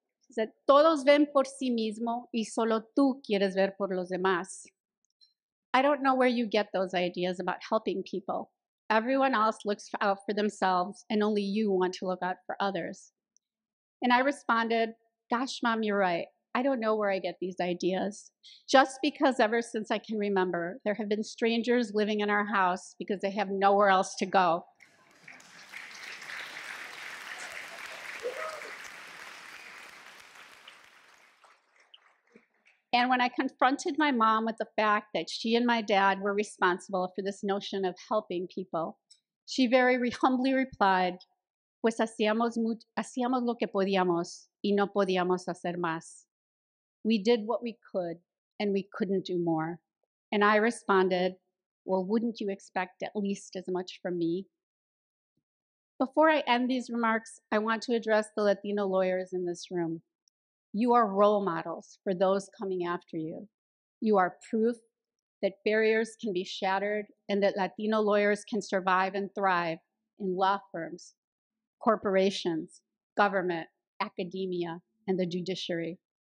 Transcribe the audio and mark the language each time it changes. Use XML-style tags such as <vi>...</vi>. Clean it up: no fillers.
<es>Said, "Todos ven por sí mismo y solo tú quieres ver por los demás."</es> <en>I don't know where you get those ideas about helping people. Everyone else looks out for themselves and only you want to look out for others. And I responded, "Gosh, Mom, you're right. I don't know where I get these ideas. Just because ever since I can remember, there have been strangers living in our house because they have nowhere else to go." And when I confronted my mom with the fact that she and my dad were responsible for this notion of helping people, she very humbly replied,</en> <es>pues hacíamos lo que podíamos y no podíamos hacer más.</es> <en>We did what we could and we couldn't do more. And I responded, well, wouldn't you expect at least as much from me? Before I end these remarks, I want to address the Latino lawyers in this room. You are role models for those coming after you. You are proof that barriers can be shattered and that Latino lawyers can survive and thrive in law firms, corporations, government, academia, and the judiciary.</en>